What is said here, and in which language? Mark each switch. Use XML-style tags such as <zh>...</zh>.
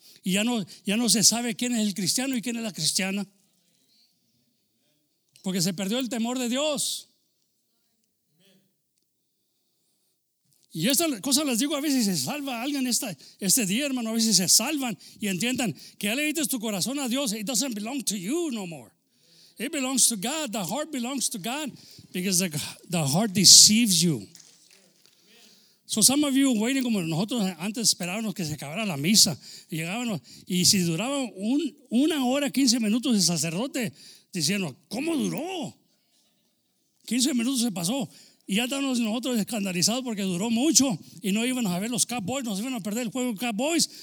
<es>Y ya no se sabe quién es el cristiano y quién es la cristiana. Porque se perdió el temor de Dios. Y estas cosas las digo a veces, se salva alguien este día, hermano. A veces se salvan y entiendan que ya le diste tu corazón a Dios.</es> <en>It doesn't belong to you no more. It belongs to God. The heart belongs to God. Because the heart deceives you. So some of you waiting,</en> <es>como nosotros antes esperábamos que se acabara la misa. Llegábamos y si duraba una hora, 15 minutos el sacerdote, diciendo, ¿cómo duró? 15 minutos se pasó. Y ya estábamos nosotros escandalizados porque duró mucho y no íbamos a ver los Cowboys, nos iban a perder el juego de Cowboys.</es>